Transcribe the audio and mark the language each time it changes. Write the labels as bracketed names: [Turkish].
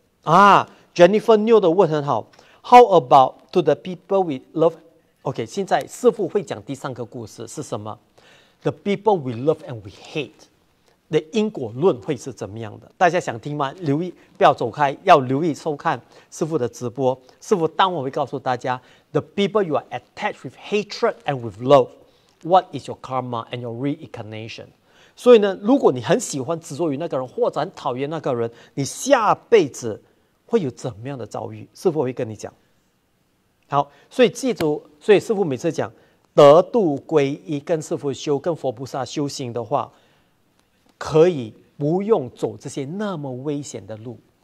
[English] 啊 ，Jennifer New [Chinese] 的问很好。 [English] How about to the people we love？ [Chinese] OK， 现在师父会讲第三个故事是什么 ？ [English] The people we love and we hate， [Chinese] 的因果论会是怎么样的？大家想听吗？留意，不要走开，要留意收看师父的直播。师父当晚会告诉大家 [English] ，The people you are attached with hatred and with love，what is your karma and your reincarnation？ [Chinese] 所以呢，如果你很喜欢执着于那个人，或者很讨厌那个人，你下辈子会有怎么样的遭遇？师父会跟你讲。好，所以记住，所以师父每次讲得度归一，跟师父修，跟佛菩萨修行的话，可以不用走这些那么危险的路。